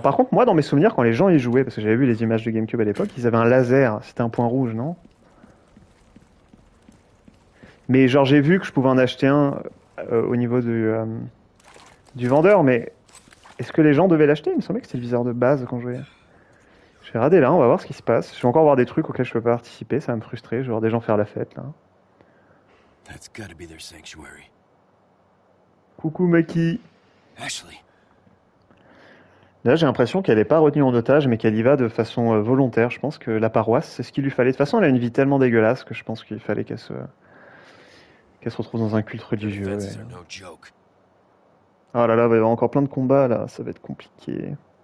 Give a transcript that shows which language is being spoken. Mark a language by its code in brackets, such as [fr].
[fr] Par contre, moi, dans mes souvenirs, quand les gens y jouaient, parce que j'avais vu les images de GameCube à l'époque, ils avaient un laser, c'était un point rouge, non ? Mais genre j'ai vu que je pouvais en acheter un au niveau du vendeur, mais est-ce que les gens devaient l'acheter ? Il me semblait que c'était le viseur de base quand je jouais. Je vais regarder là, on va voir ce qui se passe. Je vais encore voir des trucs auxquels je peux pas participer, ça va me frustrer, je vais voir des gens faire la fête là. [en] That's gotta be their sanctuary. [fr] Coucou Maki. Ashley. Là j'ai l'impression qu'elle est pas retenue en otage, mais qu'elle y va de façon volontaire. Je pense que la paroisse, c'est ce qu'il lui fallait. De toute façon elle a une vie tellement dégueulasse que je pense qu'il fallait qu'elle se... Qu'elle se retrouve dans un culte religieux. Ouais. Oh là là, il va y avoir encore plein de combats là, ça va être compliqué.